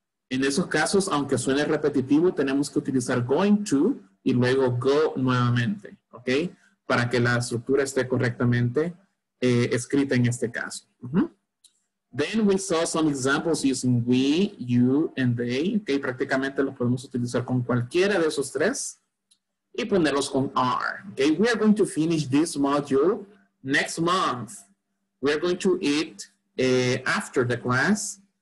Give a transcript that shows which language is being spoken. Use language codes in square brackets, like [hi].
[es] En esos casos, aunque suene repetitivo, tenemos que utilizar going to y luego go nuevamente. ¿Ok? Para que la estructura esté correctamente escrita en este caso. [en] Then we saw some examples using we, you, and they. ¿Ok? [es] Prácticamente los podemos utilizar con cualquiera de esos tres y ponerlos con are. ¿Ok? [en] We are going to finish this module next month. We are going to eat after the class.